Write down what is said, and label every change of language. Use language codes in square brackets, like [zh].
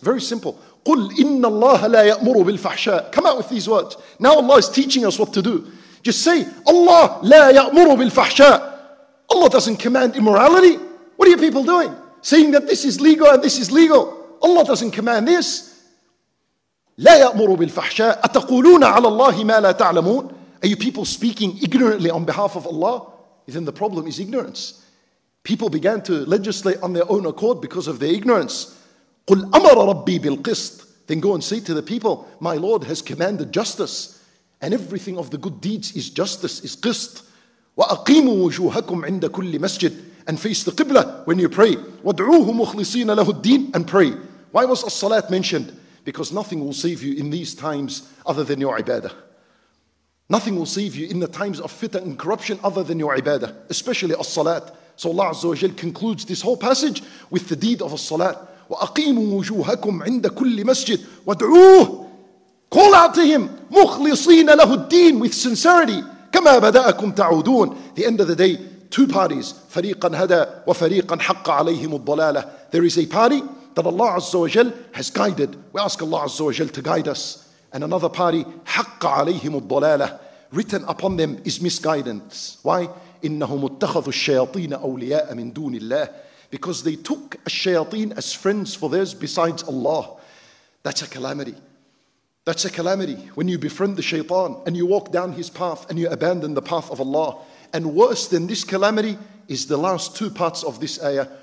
[en] Very simple. [ar] قُلْ إِنَّ اللَّهَ لَا يَأْمُرُ بِالْفَحْشَاءِ. [en] Come out with these words. Now Allah is teaching us what to do. Just say, Allah [ar] لَا يَأْمُرُ بِالْفَحْشَاءِ. [en] Allah doesn't command immorality. What are you people doing? Saying that this is legal and this is legal. Allah doesn't command this. [ar] لا يأمر بالفحشاء أتقولون على الله ما لا تعلمون. [en] Are you people speaking ignorantly on behalf of Allah? Then the problem is ignorance. People began to legislate on their own accord because of their ignorance. [ar] قل أمر ربي بالقسط. [en] Then go and say to the people, my Lord has commanded justice, and everything of the good deeds is justice, is قسط. [ar] وأقيموا وجوهكم عند كل مسجد. [en] And face the Qibla when you pray. [ar] وَادْعُوهُ مُخْلِصِينَ لَهُ الدِّينَ. [en] And pray. Why was As-Salat mentioned? Because nothing will save you in these times other than your ibadah. Nothing will save you in the times of fitna and corruption other than your ibadah. Especially As-Salat. So Allah Azza wa Jal concludes this whole passage with the deed of As-Salat. [ar] وَأَقِيمُوا وُجُوهَكُمْ عِنْدَ كُلِّ مَسْجِدْ. وَادْعُوهُ. [en] Call out to Him. [ar] مُخْلِصِينَ لَهُ الدِّينَ. [en] With sincerity. [ar] كما بدأكم تعودون. [en] The end of the day, two parties, [ar] فريقاً هدى وفريقاً حق عليهم الضلالة. [en] There is a party that Allah Azza wa Jal has guided. We ask Allah Azza wa Jal to guide us. And another party, [ar] حق عليهم الضلالة. [en] Written upon them is misguidance. Why? [ar] إنهم اتخذوا الشياطين أولياء من دون الله. [en] Because they took الشياطين as friends for theirs besides Allah. That's a calamity. That's a calamity. When you befriend the shaitan and you walk down his path and you abandon the path of Allah. And worse than this calamity is the last two parts of this ayah.